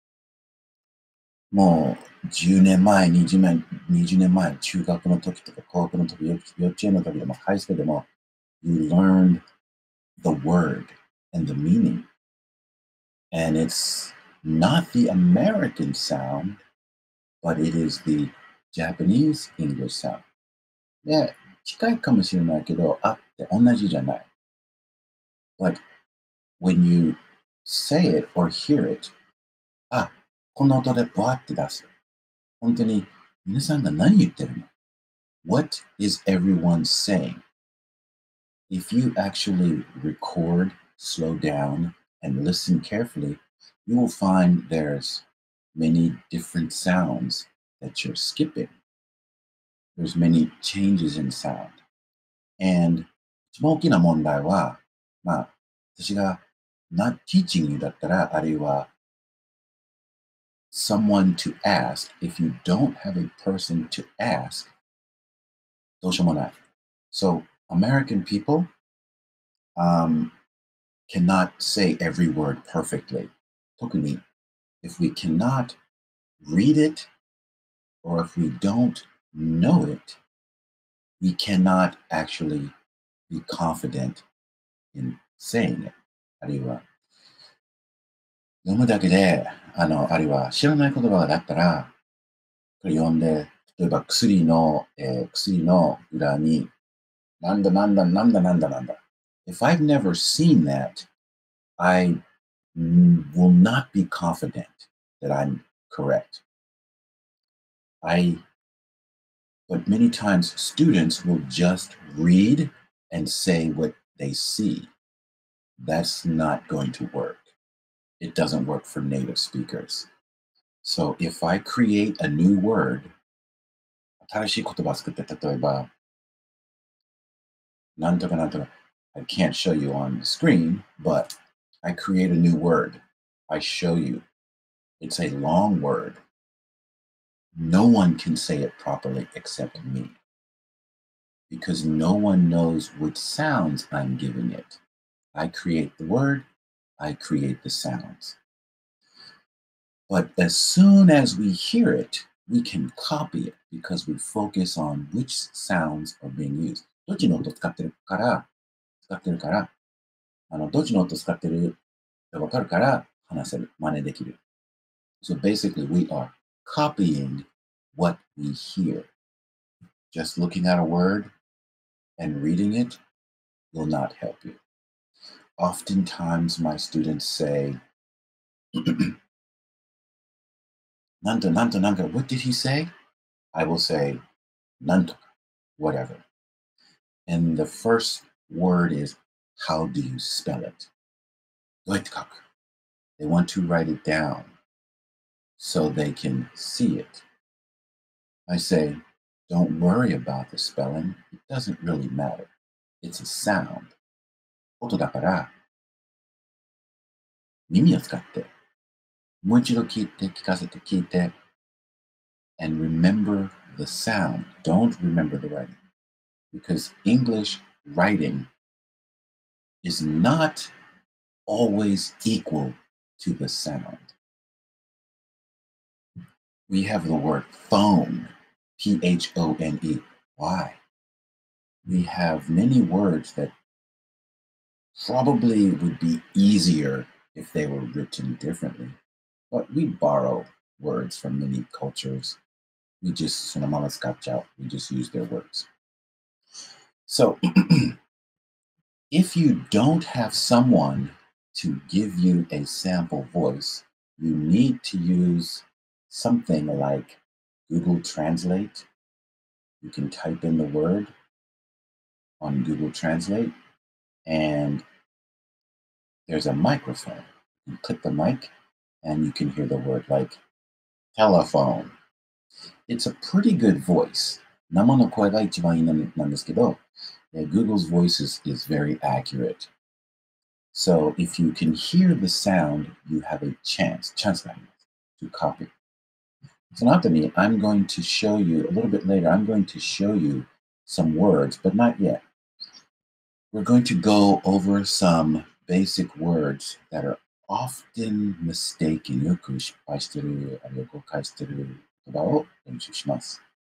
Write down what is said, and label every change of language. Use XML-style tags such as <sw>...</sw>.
<ja>コミュニケーションが良くなる。なんか聞こえてる音を真似してください。真似しようと思わないから、発音がなんかコミュニケーションがやりにくい。あの、もう、 10年前、20年前、中学の時とか高校の時、幼稚園の時でも、ハイスクールでも、</ja> <en>you learned the word and the meaning. And it's not the American sound, but it is the Japanese English sound.</en> <ja>で、近いかもしれないけど、あって同じじゃない。</ja> <en>But when you say it or hear it,</en> <ja>あ、この音でバーって出す。本当に皆さんが何言ってるの?</ja> <en>What is everyone saying? If you actually record, slow down, and listen carefully, you will find there's many different sounds that you're skipping. There's many changes in sound. And</en> <ja>一番大きな問題は、まあ、私が</ja> <en>not teaching you</en> <ja>だったら、あるいは</ja> <en>someone to ask, if you don't have a person to ask,</en> <ja>どうしようもない。</ja> <en>So American people cannot say every word perfectly.</en> <ja>特に,</ja> <en>if we cannot read it, or if we don't know it, we cannot actually be confident in saying it.</en> <ja>あるいは。読むだけで、あの、あるいは知らない言葉だったら、これ読んで、例えば薬の、薬の裏に、なんだなんだなんだなんだなんだ。</ja> <en>If I've never seen that, I will not be confident that I'm correct. But many times students will just read and say what they see, that's not going to work. It doesn't work for native speakers. So if I create a new word,</en> <ja>新しい言葉を作って、例えば、なんとかなんとか、</ja> <en>I can't show you on the screen, but I create a new word. I show you. It's a long word. No one can say it properly except me. Because no one knows which sounds I'm giving it. I create the word, I create the sounds. But as soon as we hear it, we can copy it because we focus on which sounds are being used.</en> <ja>どっちの音を使ってるから、どっちの音を使ってるってわかるから話せる、真似できる。</ja> <en>So basically, we are copying what we hear. Just looking at a word and reading it will not help you. Oftentimes, my students say, Nanto, nanto, nanto, what did he say? I will say, nanto, whatever. And the first word is, how do you spell it?</en> <ja>どうやって書く?</ja> <en>They want to write it down so they can see it. I say, don't worry about the spelling. It doesn't really matter. It's a sound.</en> <ja>音だから、耳を使って。もう一度聞いて、聞かせて、聞いて。</ja> <en>And remember the sound. Don't remember the writing. Because English writing is not always equal to the sound. We have the word phone, P-H-O-N-E. Why? We have many words that probably would be easier if they were written differently. But we borrow words from many cultures. We just,</en> <ja>そのまま使っちゃう。</ja> <en>We just use their words. So, if you don't have someone to give you a sample voice, you need to use something like Google Translate. You can type in the word on Google Translate, and there's a microphone. You click the mic. And you can hear the word like telephone. It's a pretty good voice.</en> <ja>生の声が一番いいなんですけど、</ja> <en>Google's voice is very accurate. So if you can hear the sound, you have a chance to copy. So not to me, I'm going to show you a little bit later, I'm going to show you some words, but not yet. We're going to go over some basic words that areOften mistaken,</en> <ja>よく失敗してる、あるいは誤解してる言葉を練習します。</ja>